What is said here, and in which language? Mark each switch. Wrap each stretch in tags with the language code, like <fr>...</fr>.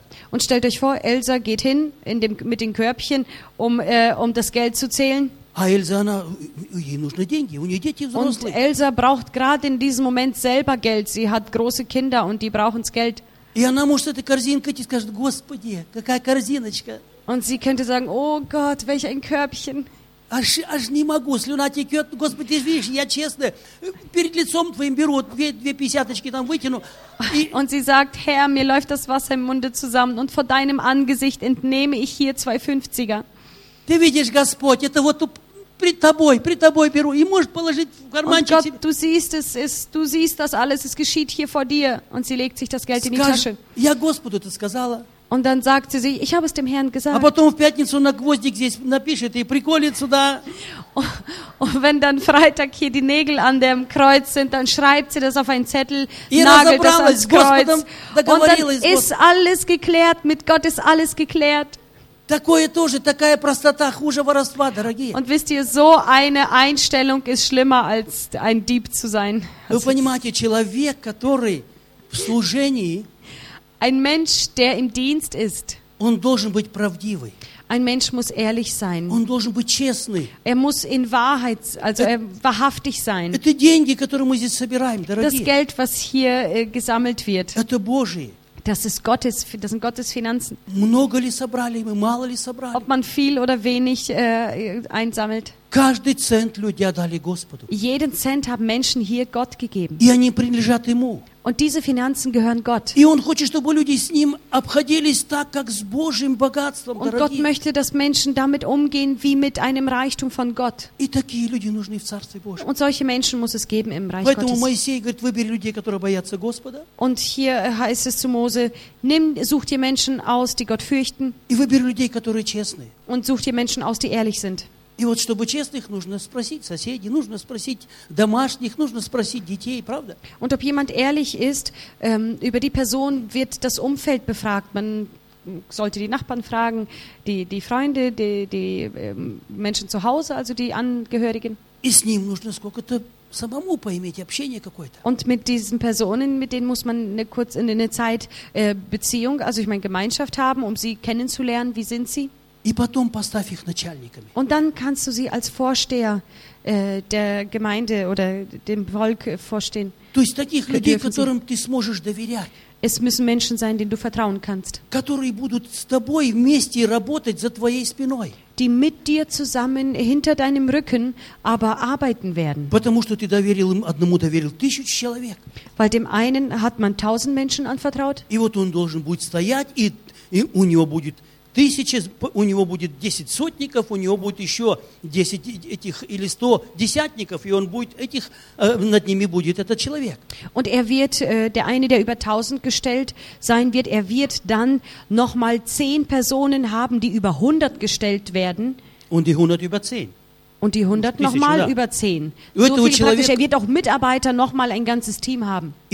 <de>Und stellt euch vor, Elsa geht hin mit den Körbchen, um das Geld zu zählen.</de> <ru>А Эльза, она, ей нужны деньги, у нее дети взрослые.</ru> <de>Und Elsa braucht gerade in diesem Moment selber Geld. Sie hat große Kinder und die brauchen das Geld.</de> <ru>И она может этой корзинкой идти и скажет, Господи, какая корзиночка.</ru> <de>Und sie könnte sagen, oh Gott, welch ein Körbchen.</de> <ru>Аж не могу, слюна текет. Господи, видишь, я честно, перед лицом твоим беру, вот две пятяточки там вытяну.</ru> <de>Und sie sagt, Herr, mir läuft das Wasser im Munde zusammen und vor deinem Angesicht entnehme ich hier zwei Fünfziger.</de> <ru>Ты видишь, Господь, это вот пред тобой беру и может положить в карманчик.</ru> <de>Und Gott, du siehst, das alles, es geschieht hier vor dir. Und sie legt sich das Geld in die Tasche.</de> <ru>Я Господу это сказала.</ru> <de>Und dann sagt sie, ich habe es dem Herrn gesagt.</de> <ru>А потом в пятницу на гвоздик здесь напишет и приколит сюда.</ru> <de>Und wenn dann Freitag hier die Nägel an dem Kreuz sind, dann schreibt sie das auf einen Zettel, nagelt das ans Kreuz. Und dann ist alles geklärt, mit Gott ist alles geklärt.</de> <ru>Такое тоже, такая простота хуже воровства, дорогие.</ru> <de>Und wisst ihr, so eine Einstellung ist schlimmer als ein Dieb zu sein.</de> <ru>Вы понимаете, человек, который в служении,</ru> <de>ein Mensch, der im Dienst ist,</de> <ru>он должен быть правдивый.</ru> <de>Ein Mensch muss ehrlich sein.</de> <ru>Он должен быть честный.</ru> <de>Er muss in Wahrheit, also er wahrhaftig sein.</de> <ru>Это деньги, которые мы здесь собираем, дорогие.</ru> <de>Das Geld, was hier gesammelt wird.</de> <ru>Это Божие.</ru> <de>Das sind Gottes Finanzen.</de> <ru>Много ли собрали мы, мало ли собрали?</ru> <de>Ob man viel oder wenig einsammelt.</de> <ru>Каждый цент люди отдали Господу.</ru> <de>Jeden Cent haben Menschen hier Gott gegeben.</de> <ru>И они принадлежат ему.</ru> <de>Und diese Finanzen gehören Gott.</de> <ru>И он хочет, чтобы люди с ним обходились так, как с Божьим богатством, дорогие.</ru> <de>Und Gott möchte, dass Menschen damit umgehen wie mit einem Reichtum von Gott.</de> <ru>И такие люди нужны в Царстве Божьем.</ru> <de>Und solche Menschen muss es geben im Reich</de> <ru>Поэтому Поэтому Моисей говорит, выбери людей, которые боятся Господа.</ru> <de>Und hier heißt es zu Mose, such dir Menschen aus, die Gott fürchten.</de> <ru>И выбери людей, которые честны.</ru> <de>Und such dir Menschen aus, die ehrlich sind.</de> <ru>И вот чтобы честных, нужно спросить соседей, нужно спросить домашних, нужно спросить детей, правда?</ru> <de>Und ob jemand ehrlich ist, über die Person wird das Umfeld befragt. Man sollte die Nachbarn fragen, die Freunde, die Menschen zu Hause, also die Angehörigen.</de> <ru>И с ним нужно сколько-то самому поиметь общение какое-то.</ru> <de>Und mit diesen Personen, mit denen muss man eine Zeit Beziehung, also ich meine Gemeinschaft haben, um sie kennenzulernen, wie sind sie?</de> <ru>И потом поставь их начальниками.</ru> <de>Und dann kannst du sie als Vorsteher der Gemeinde oder dem Volk vorstehen.</de> <ru>То есть таких людей, которым ты сможешь доверять.</ru> <de>Es müssen Menschen sein, denen du vertrauen kannst.</de> <ru>Которые будут с тобой вместе работать за твоей спиной.</ru> <de>Die mit dir zusammen hinter deinem Rücken aber arbeiten werden.</de> <ru>Потому что ты доверил им одному доверил тысячу человек.</ru> <de>Weil dem einen hat man 1000 Menschen anvertraut.</de> <ru>И вот он должен будет стоять и у него будет тысячи, у него будет 10 сотников, у него будет еще 10 этих или 100 десятников, и он будет этих, над ними будет этот человек.</ru> <de>Und er wird, der eine, der über 1000 gestellt sein wird, er wird dann nochmal 10 Personen haben, die über 100 gestellt werden. Und die 100 über 10. Und die 100 nochmal über 10. So viel praktisch, er wird auch Mitarbeiter nochmal ein ganzes Team haben.</de>